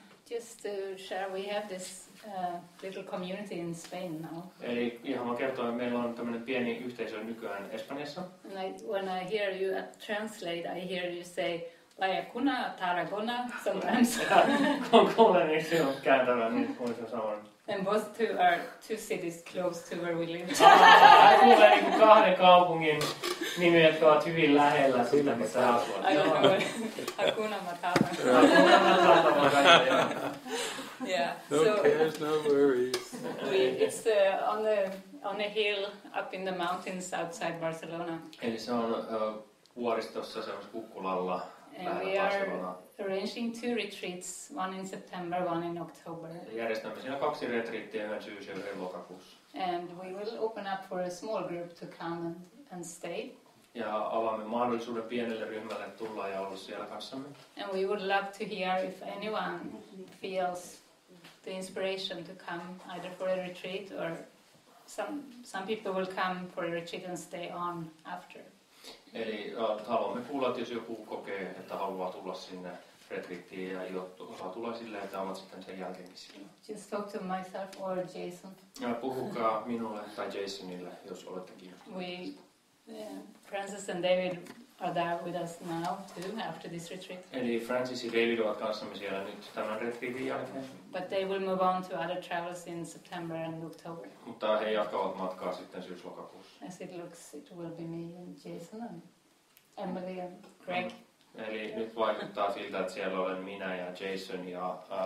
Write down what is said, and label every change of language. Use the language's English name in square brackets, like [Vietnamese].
[English] Just to share, we have this little community in Spain now. [Finnish] Eli ihan vaan kertoa, meillä on tämmöinen pieni yhteisö nykyään Espanjassa. [English] And when I hear you translate, I hear you say Laiakuna, Tarragona, sometimes. [Finnish] Kun kuulen, niin se on kääntävä, niin olisi saman. [English] And both two are two cities close to where we live. [Finnish] Kuulen niin kahden kaupungin nimi, jotka ovat hyvin lähellä sitä, missä asuvat. [Swahili] Hakuna Matata. Hakuna Matata. [English] Yeah. No cares, no worries. It's on a hill up in the mountains outside Barcelona. [Finnish] Eli se on vuoristossa, se on kukkulalla. [English] And we are arranging two retreats, one in September, one in October. [Finnish] Järjestämme siinä kaksi retriittiä, yhden syys- ja yhden lokakuussa. [English] And we will open up for a small group to come and stay. [Finnish] Ja avaamme mahdollisuuden pienelle ryhmälle tulla ja olla siellä kanssamme. [English] And we would love to hear if anyone feels the inspiration to come either for a retreat or some people will come for a retreat and stay on after. [Finnish] Eli haluamme kuulla, että jos joku kokee, että haluaa tulla sinne retriittiin ja osaa tulla silleen, että ovat sitten sen jälkeenkin siellä. [English] Just talk to myself or Jason. [Finnish] Ja puhukaa minulle tai Jasonille, jos olette kiinnostuneet. [English] Francis and David are there with us now too, after this retreat. [Finnish] Eli Francis ja David ovat kanssamme siellä nyt tämän retriitin jälkeen. [English] But they will move on to other travels in September and October. [Finnish] Mutta he jatkavat matkaa sitten syyslokakuussa. [English] As it looks, it will be me and Jason and Emily and Greg. [Finnish] Eli nyt vaikuttaa siltä, että siellä olen minä ja Jason ja